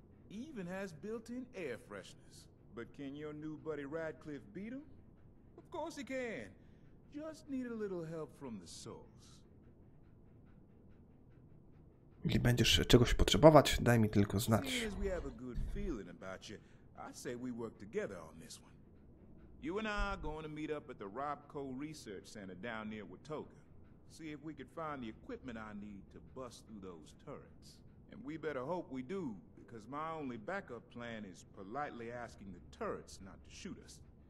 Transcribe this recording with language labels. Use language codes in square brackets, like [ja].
[en] Even has built-in air freshness. But can your new buddy Radcliffe beat him? Of course he can. Just need a little help from the source. [pl] Jeśli będziesz czegoś potrzebować, daj mi tylko znać. [en] Seeing as we have a good feeling about you, I say we work together on this one. You and I are going to meet up at the Robco Research Center down near Watoga. See if we could find the equipment I need to bust through those turrets. And we better hope we do, because my only backup plan is politely asking the turrets not to shoot us.